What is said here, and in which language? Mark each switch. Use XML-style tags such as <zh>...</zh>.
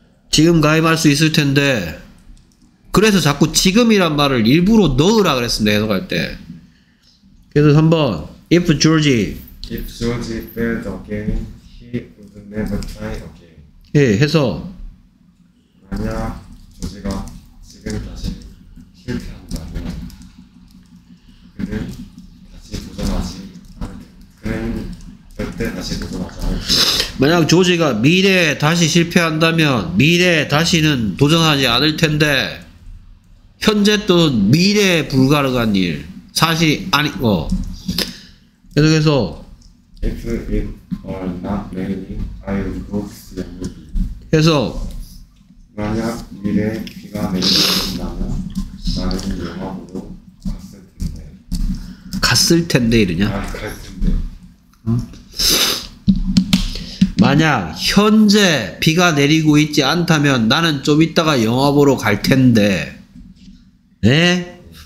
<ko>지금 가입할 수 있을 텐데. 그래서 자꾸 지금이란 말을 일부러 넣으라 그랬습니다, 해석할 때. 그래서 3번.</ko> <en>If George. If George failed again, he would never try again.</en> <ko>예, 해서. 만약 조지가 지금 다시 실패한다면, 그는 다시 도전하지 않을 텐데. 그는 절대 다시 도전하지 않을 텐데. 만약 조지가 미래에 다시 실패한다면 미래에 다시는 도전하지 않을 텐데, 현재 또는 미래에 불가능한 일, 사실이 아닌 거. 계속해서</ko> <en>If it were not raining, I would go to the movie.</en> <ko>해서 만약 미래에 비가 내린다면 나는 영화보러 갔을 텐데. 갔을 텐데 이러냐? 아, 갈 텐데. 만약 현재 비가 내리고 있지 않다면 나는 좀 이따가 영화 보러 갈 텐데. 네?</ko>